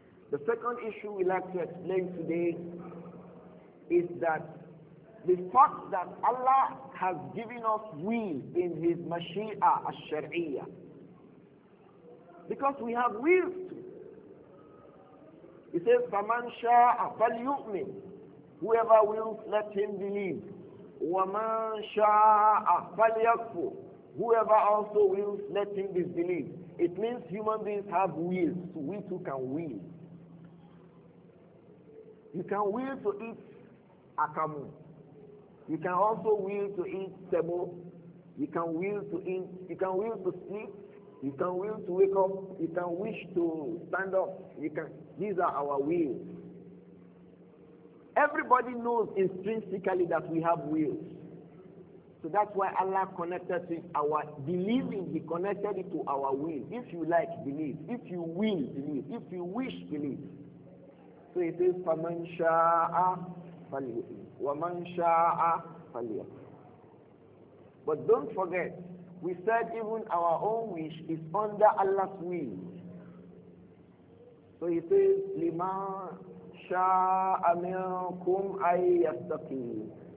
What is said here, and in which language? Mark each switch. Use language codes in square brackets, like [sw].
[en] The second issue we like to explain today is that the fact that Allah has given us will in His Mashi'a al-Shar'iyya. Because we have will too. He says, [ar] فَمَنْ شَاءَ فَلْيُؤْمِنِ. [en] Whoever wills, let him believe. [ar] وَمَنْ شَاءَ فَلْيَكْفُرُ. [en] Whoever also wills, let him disbelieve. It means human beings have wills, so we too can will. You can will to eat akamu. You can also will to eat sebo. You can will to eat, you can will to sleep. You can will to wake up. You can wish to stand up. You can. These are our wills. Everybody knows intrinsically that we have wills. So that's why Allah connected to our believing, He connected it to our will. If you like, believe. If you will, believe. If you wish, believe. So it says, [ar] فَمَنْ شَاءَ فَلْيُؤْمِنْ وَمَنْ شَاءَ فَلْيَكْفُرْ. [en] But don't forget, we said even our own wish is under Allah's will. So it says, [ar] لِمَنْ شَاءَ مِنْكُمْ أَنْ يَسْتَقِيمَ.